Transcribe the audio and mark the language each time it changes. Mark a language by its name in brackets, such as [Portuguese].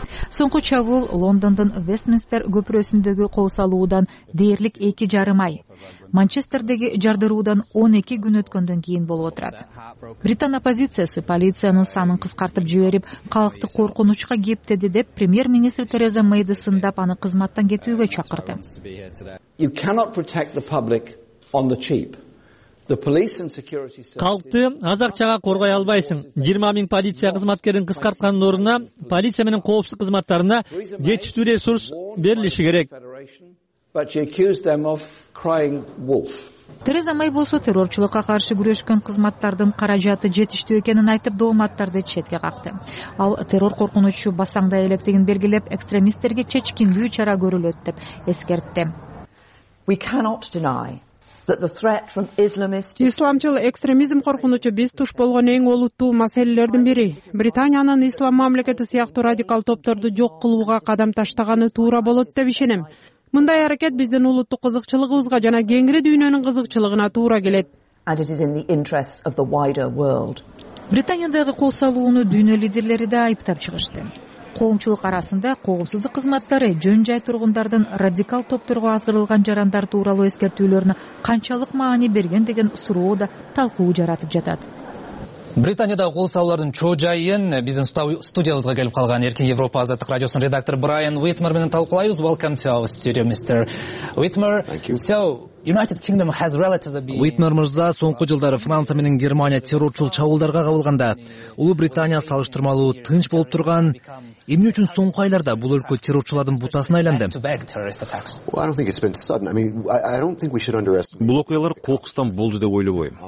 [Kyrgyz] Соңку чабуул Лондондун Вестминстер көпүрөсүндөгү кол салуудан дээрлик 2.5 ай, Манчестердеги жардыруудан 12 күн өткөндөн кийин болуп отурат. Британ оппозициясы полициянын санын кыскартып жиберип, калкты коркунучка кептеди деп премьер-министр Тереза Мэйди сындап аны кызматтан кетүүгө чакырды. [English] You cannot protect the public on the cheap. [Kyrgyz] Калкты аз акчага коргой албайсың. 20 000 полиция кызматкерин кыскарткандын ордуна полиция менен коопсуздук кызматтарына жетиштүү ресурс берилиши керек. Тереза Мэй болсо террорчулукка каршы күрөшкөн кызматтардын каражаты жетиштүү экенин айтып, дооматтарды четке какты. Ал террор коркунучу басаңдай электигин белгилеп, экстремисттерге чечкиндүү чара көрүлөт деп эскертти. [English] We cannot deny that the threat from Islamist [Kyrgyz] исламчыл экстремизм коркунучу биз туш болгон эң олуттуу маселелердин бири. Британиянын ислам мамлекети сыяктуу радикал топторду жок кылууга кадам таштаганы туура болот деп ишенем. Мындай аракет биздин улуттук кызыкчылыгыбызга жана кеңири дүйнөнүн кызыкчылыгына туура келет. [English] And it is in the interests of the wider world. [Kyrgyz] Британиядагы кол салууну дүйнө лидерлери да айыптап чыгышты. Коомчулук арасында коопсуздук кызматтары жөн жай тургундардын радикал топторго азырылган жарандар тууралуу эскертүүлөрүнө канчалык маани берген деген суроо да талкуу жаратып жатат. Британиядагы кол салуулардын чоо жайын биздин студиябызга келип калган Эркин Европа Азаттык радиосунун редактору Брайан Уитмер менен талкуулайбыз. [English] Welcome to our studio, Mr. Whitmer. Thank you. United Kingdom has relatively been... [Kyrgyz] Уитмер мырза, соңку жылдары Франция менен Германия террорчул чабуулдарга кабылганда, Улуу Британия салыштырмалуу тынч болуп турган эмне үчүн соңку айларда бул өлкө террорчулардын бутасына айланды? Бул окуялар кокустан болду деп ойлобойм.